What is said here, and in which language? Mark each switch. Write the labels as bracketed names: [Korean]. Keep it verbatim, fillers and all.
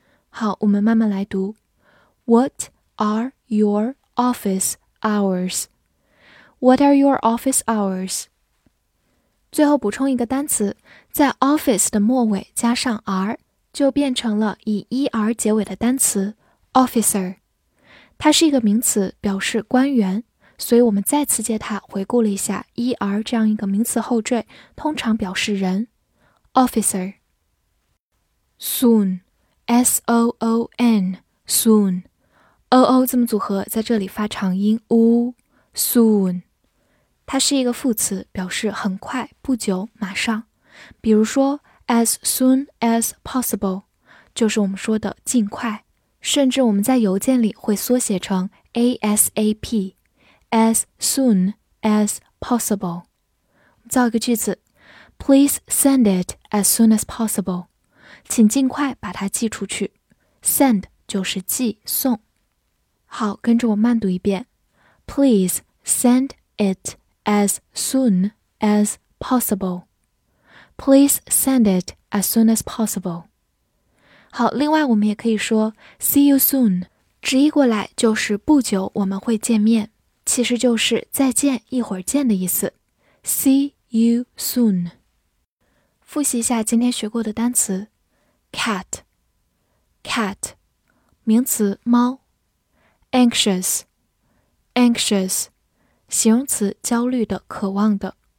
[Chinese] 好，我们慢慢来读。 [English] What are your office hours? What are your office hours? [Chinese] 最后补充一个单词，在 office 的末尾加上 r， 就变成了以 er 结尾的单词 officer。它是一个名词，表示官员，所以我们再次借它回顾了一下 er 这样一个名词后缀，通常表示人 officer。 Soon, S O O N, soon, oo 字母组合在这里发长音 u。 Soon， 它是一个副词，表示很快、不久、马上。比如说 [English] as soon as possible [Chinese] 就是我们说的尽快，甚至我们在邮件里会缩写成 A S A P, as soon as possible。造一个句子， [English] Please send it as soon as possible， [Chinese] 请尽快把它寄出去。 Send 就是寄送。好，跟着我慢读一遍， [English] Please send it as soon as possible. Please send it as soon as possible. [Chinese] 好，另外我们也可以说 [English] see you soon， [Chinese] 直译过来就是不久我们会见面，其实就是再见，一会儿见的意思。 [English] See you soon. [Chinese] 复习一下今天学过的单词 cat, cat, 名词猫 anxious,Anxious, 形容词焦虑的渴望的。